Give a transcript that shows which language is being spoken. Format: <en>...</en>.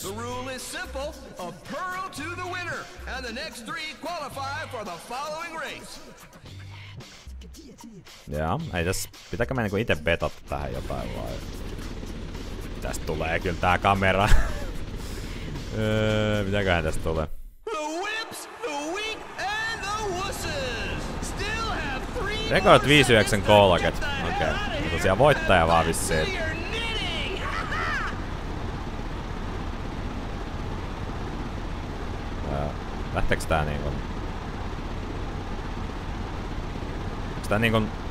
<en>The rule is simple, a pearl to the winner, and the next three qualify for the following race.</en> <fi>Joo, ei tässä, pitääkö mä niinku ite betata tähän jotain vai? Tästä tulee kyllä tää kamera. mitäköhän tästä tulee?</fi> <en>The whips, the weak, and the wusses! Still have three... Rekord 5-9-30. Okei, okay.</en> <fi>Tosiaan voittaja vaan vissiin. Lähteekö tää niinku... Onks tää niinku...</fi>